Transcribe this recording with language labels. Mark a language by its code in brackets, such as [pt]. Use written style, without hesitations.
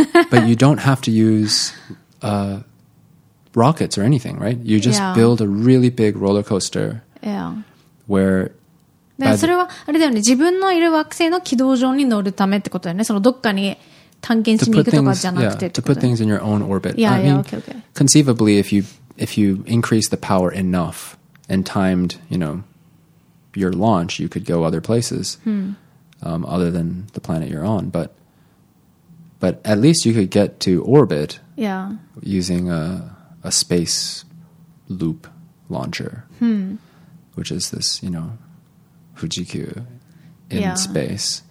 [en] But you don't have to use rockets or anything, right? You just build a really big roller coaster where... [ja] それはあれだよね、自分のいる惑星の軌道上に乗るためってことだよね、そのどっかに探検しに行くとかじゃなくて、 [en] to put things in your own orbit. Yeah, yeah, okay, okay. Conceivably, if you increase the power enough and timed, you know, your launch, you could go other places other than the planet you're on. But at least you could get to orbit using a space loop launcher, which is this, you know, Fujikyu in space.